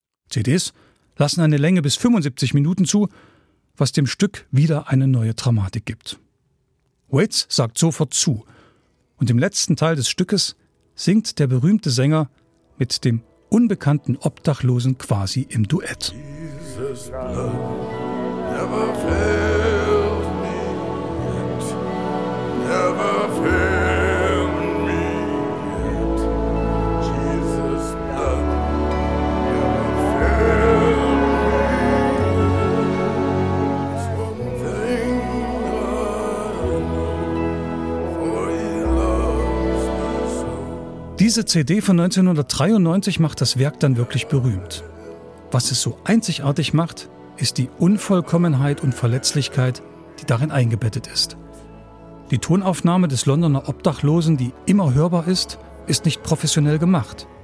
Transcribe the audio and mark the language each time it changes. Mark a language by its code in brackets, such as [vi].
[de] CDs lassen eine Länge bis 75 Minuten zu, was dem Stück wieder eine neue Dramatik gibt. Waits sagt sofort zu. Und im letzten Teil des Stückes singt der berühmte Sänger mit dem unbekannten Obdachlosen quasi im Duett. [en] Jesus Blood never failed me yet. Never failed me yet. Jesus Blood never failed me yet. One thing God knows, for he loves me so. [de] Diese CD von 1993 macht das Werk dann wirklich berühmt. Was es so einzigartig macht, ist die Unvollkommenheit und Verletzlichkeit, die darin eingebettet ist. Die Tonaufnahme des Londoner Obdachlosen, die immer hörbar ist, ist nicht professionell gemacht.